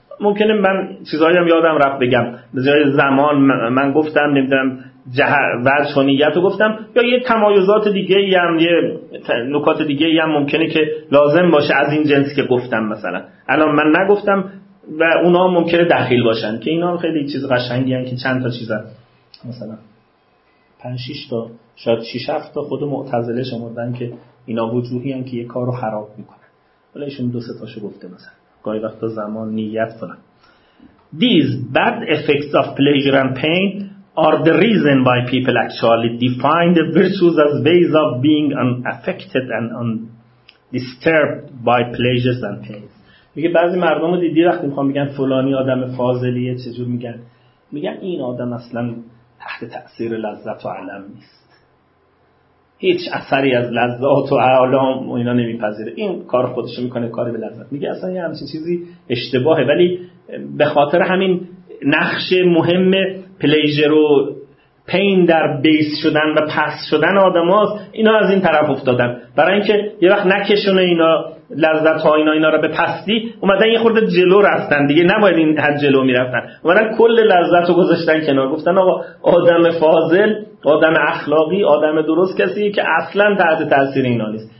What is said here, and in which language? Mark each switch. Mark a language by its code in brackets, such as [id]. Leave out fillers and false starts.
[fa] ممکنه من چیزایی هم یادم رفت بگم، به جای زمان من گفتم نمیدونم وجهانیت رو گفتم، یا یه تمایزات دیگه هم، یه نکات دیگه هم ممکنه که لازم باشه از این جنس که گفتم، مثلا الان من نگفتم و اونا ممکنه دخیل باشن، که اینا خیلی چیز قشنگی هم که چند تا چیز هم مثلا 5-6 تا شاید 6-7 تا خود معتزله شمردن که اینا وجوهی هم که یه کار رو خراب میکنن، ولی ایشون 2-3 تاشو گفته مثلا گاهی وقتا زمان نیت کنن. [en] These bad effects of pleasure and pain are the reason why people actually define the virtues as ways of being unaffected and undisturbed by pleasures and pains. [fa] میگه بعضی مردم رو دیدی وقتی میخوان میگن فلانی آدم فاضلیه چجور میگن؟ میگن این آدم اصلا تحت تأثیر لذت و علم نیست، هیچ اثری از لذت و علم و اینا نمیپذیره، این کار خودشو میکنه کاری به لذت. میگه اصلا یه همچین چیزی اشتباهه، ولی به خاطر همین نقش مهم پلیجر و پین در بیس شدن و پس شدن آدم هاست، اینا از این طرف افتادن، برای اینکه یه وقت نکشونه اینا لذت ها اینا رو به پستی، اومدن یه خورده جلو رفتن دیگه، نباید این حد جلو می رفتن، اومدن کل لذت رو گذاشتن کنار، گفتن آقا آدم فاضل، آدم اخلاقی، آدم درست کسی که اصلا تحت تأثیر اینا نیست.